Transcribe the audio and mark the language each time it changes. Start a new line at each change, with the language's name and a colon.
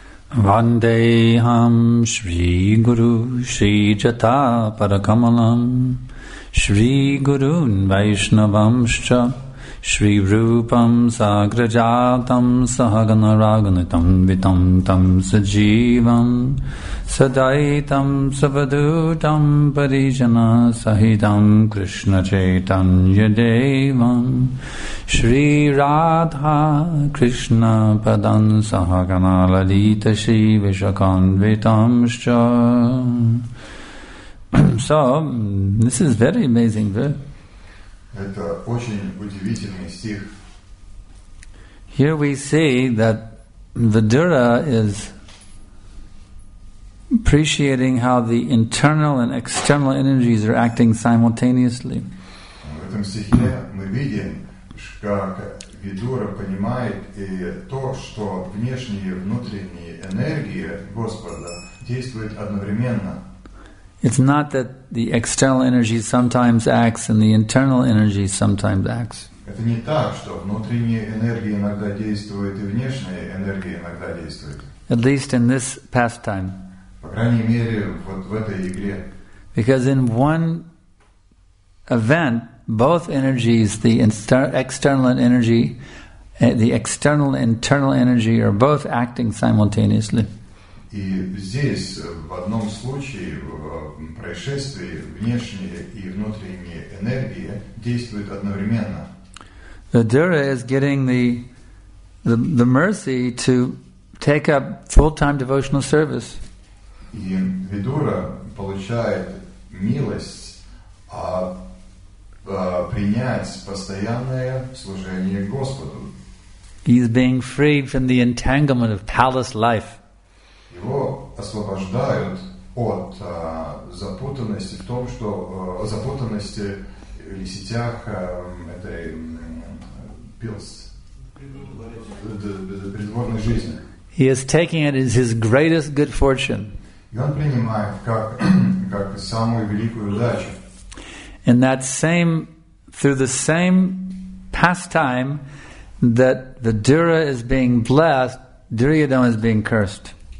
Sanskrit: Vandeham Shri Guru Shri Jata Parakamalam Shri Guru Vaishnavamscha Shri Rupam Sagrajatam Sahagana Raghunatam Vitam Tam Sajivam Sadaitam Savadutam Parijana Sahidam Krishna Chaitanya Devam Shri Radha Krishna Padan Sahagana Lalita Shri Vishakan Vitam Shcha.
English: So, this is very amazing, right?
Russian: Это очень удивительный стих.
English: Here we see that Vidura is appreciating how the internal and external energies are acting simultaneously.
Russian: В этом стихе мы видим, как Vidura понимает и то, что внешние и внутренние энергии Господа действуют одновременно.
English: It's not that the external energy sometimes acts and the internal energy sometimes acts.
Russian: Это не так, что внутренняя энергия иногда действует и внешняя энергия иногда действует.
English: At least in this pastime.
Russian: По крайней мере, вот в этой игре.
English: Because in one event, both energies, the external and energy, The external and internal energy are both acting simultaneously.
Russian: И здесь в одном случае в происшествии внешние и внутренние энергии действуют одновременно.
English: Vidura is getting the mercy to take up full-time devotional service.
Russian: И Vidura получает милость принять постоянное служение Господу.
English: He is being freed from the entanglement of palace life.
Russian: Его освобождают от запутанности в том, что запутанности в сетях этой пилс придворной жизни.
English: He is taking it as his greatest good fortune.
Russian: И он принимает как самую великую удачу.
English: And that same through the same pastime that Vidura is being blessed, Duryodhana is being cursed.